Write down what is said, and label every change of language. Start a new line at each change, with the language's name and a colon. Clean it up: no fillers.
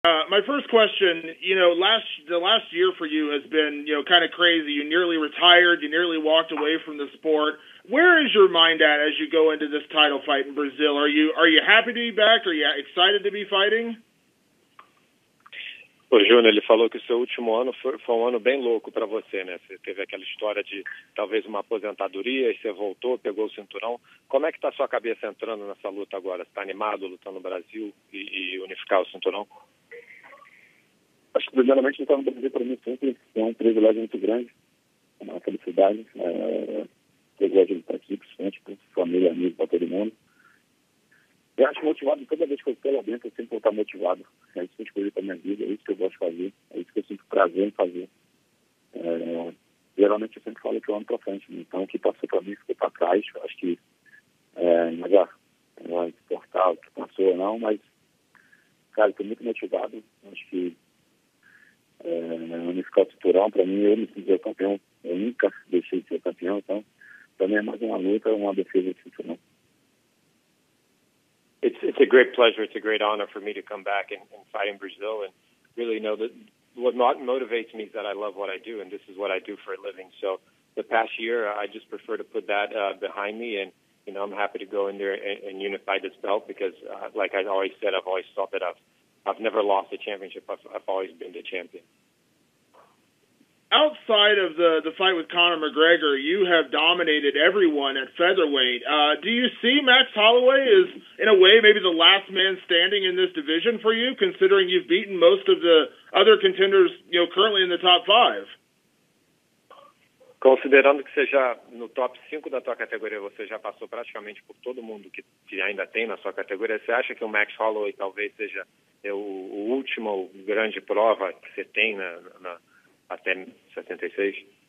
English: My first question, you know, the last year for you has been, you know, kind of crazy. You nearly retired. You nearly walked away from the sport. Where is your mind at as you go into this title fight in Brazil? Are you happy to be back? Are you excited to be fighting?
Portuguese: O Júnior, ele falou que o seu último ano foi um ano bem louco para você, né? Você teve aquela história de talvez uma aposentadoria e você voltou, pegou o cinturão. Como é que está a sua cabeça entrando nessa luta agora? Você está animado lutando no Brasil e unificar o cinturão? Acho que, primeiramente, lutar no Brasil para mim sempre é um privilégio muito grande, uma felicidade. Privilégio de estar aqui, principalmente com família, amigos, para todo mundo. Eu acho motivado, toda vez que eu estou lá dentro, eu sempre vou estar motivado. É isso que eu escolhi para a minha vida, é isso que eu gosto de fazer, é isso que eu sinto prazer em fazer. Geralmente, eu sempre falo que eu ando para frente, né? Então, o que passou para mim ficou para trás. Eu acho que não vai importar o que passou ou não, mas, cara, estou muito motivado. Acho que unificar o cinturão, para mim, eu me sinto campeão. Eu nunca deixei de ser campeão, então, para mim é mais uma luta, uma defesa de cinturão.
English: It's a great pleasure. It's a great honor for me to come back and fight in Brazil. And really know that what motivates me is that I love what I do, and this is what I do for a living. So the past year, I just prefer to put that behind me. And, you know, I'm happy to go in there and unify this belt because, like I always said, I've always thought that I've never lost a championship. I've always been the champion. Outside of the fight with Conor McGregor, you have dominated everyone at featherweight. Do you see Max Holloway as, in a way, maybe the last man standing in this division for you, considering you've beaten most of the other contenders, you know, currently in the top five?
Portuguese: Considerando que você já, no top 5 da tua categoria, você já passou praticamente por todo mundo que ainda tem na sua categoria, você acha que o Max Holloway talvez seja o último grande prova que você tem na até 76?